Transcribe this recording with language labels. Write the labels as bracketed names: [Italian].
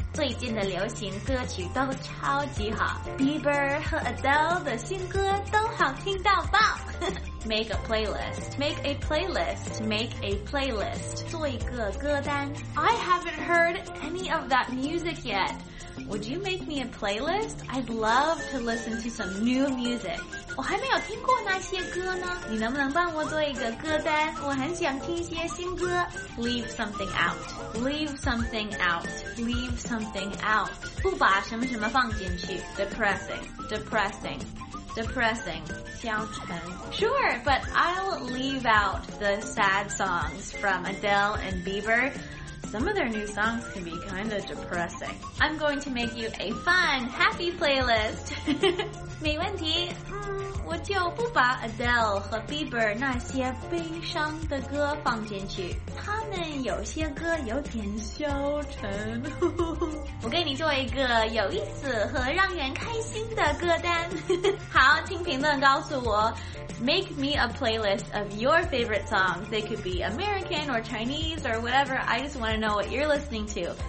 [Chinese] 最近的流行歌曲都超级好， Bieber 和 Adele 的新歌都好听到爆。 [English] Make a playlist. Make a playlist. Make a playlist. [Chinese] 做一个歌单。 [English] I haven't heard any of that music yet. Would you make me a playlist? I'd love to listen to some new music. [Chinese] 我还没有听过那些歌呢，你能不能帮我做一个歌单？我很想听一些新歌。 [English] Leave something out. Leave something out. Leave something out. [Chinese] 不把什么什么放进去。 [English] Depressing. Depressing. Depressing. [Chinese] 消沉。 [English] Sure, but I'll leave out the sad songs from Adele and Bieber. Some of their new songs can be kind of depressing. I'm going to make you a fun, happy playlist. [Chinese] 没问题，我就不把 Adele 和 Bieber 那些悲伤的歌放进去，他们有些歌有点消沉。我给你做一个有意思和让人开心的歌单。好，请评论告诉我。 [English] Make me a playlist of your favorite songs. They could be American or Chinese or whatever. I just want to know what you're listening to.